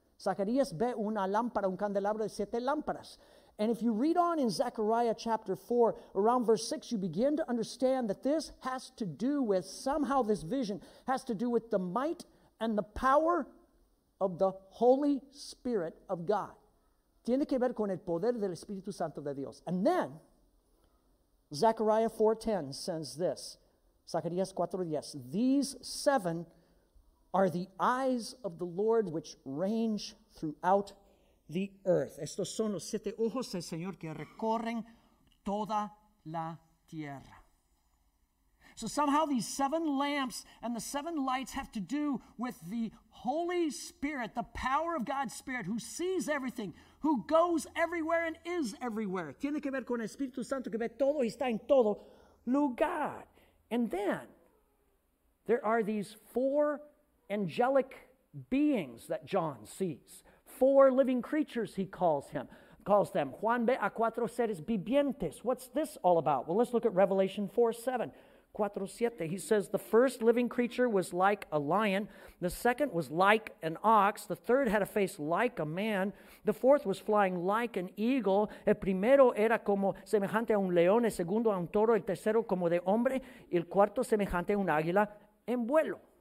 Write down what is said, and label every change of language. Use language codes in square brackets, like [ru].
[es] Zacharias ve una lámpara, un candelabro de siete lámparas. [en] And if you read on in Zechariah chapter 4, around verse 6, you begin to understand that this has to do with, somehow this vision has to do with the might and the power of the Holy Spirit of God. [es] Tiene que ver con el poder del Espíritu Santo de Dios. [en] And then, Zechariah 4:10 says this, Zacharias 4:10, these seven are the eyes of the Lord which range throughout the earth. [es] Estos son los siete ojos del Señor que recorren toda la tierra. [en] So somehow these seven lamps and the seven lights have to do with the Holy Spirit, the power of God's Spirit, who sees everything, who goes everywhere and is everywhere. [es] Tiene que ver con el Espíritu Santo que ve todo y está en todo lugar. [en] And then there are these four angelic beings that John sees. Four living creatures, he calls them. [es] Juan ve a cuatro seres vivientes. [en] What's this all about? Well, let's look at Revelation 4:7. 4:7. He says, the first living creature was like a lion. The second was like an ox. The third had a face like a man. The fourth was flying like an eagle. [es] El primero era como semejante a un león. El segundo a un toro. El tercero como de hombre. El cuarto semejante a un águila en vuelo.